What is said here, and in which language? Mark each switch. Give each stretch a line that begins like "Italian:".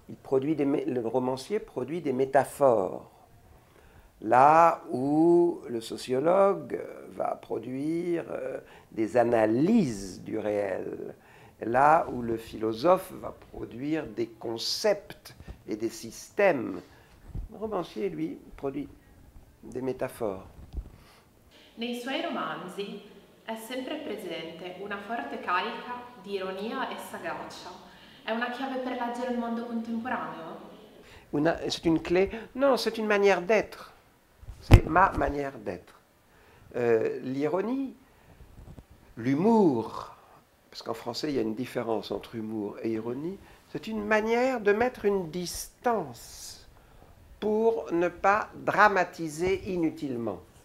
French: Le romancier produit des métaphores. Là où le sociologue va produire des analyses du réel, là où le philosophe va produire des concepts et des systèmes, le romancier, lui, produit des métaphores.
Italian: Nei suoi romanzi è sempre presente una forte carica di ironia e sagacia. È una chiave per leggere il mondo contemporaneo?
French: C'est une clé? Non, c'est une manière d'être. C'est ma manière d'être. L'ironie, l'humour, parce qu'en français il y a une différence entre humour et ironie, c'est une manière de mettre une distance pour ne pas dramatiser inutilement.